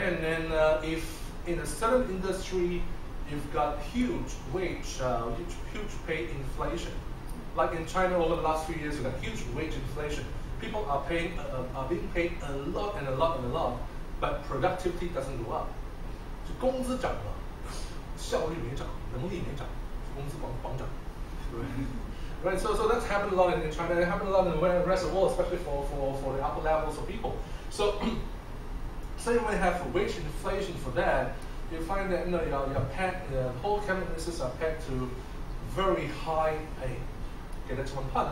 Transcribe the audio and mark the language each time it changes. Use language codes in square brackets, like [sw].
[en] And then if in a certain industry you've got huge pay inflation, like in China over the last few years, we've got huge wage inflation. People are paying, are being paid a lot and a lot and a lot, but productivity doesn't go up. [zh] 就工资涨了，效率没涨，能力没涨，工资光涨。 [en] Right, so that's happened a lot in China. It happened a lot in the rest of the world, especially for the upper levels of people. So, say we have wage inflation for that, you find that your pet, the whole cabinet ministers are pegged to very high pay. Okay, that's one part.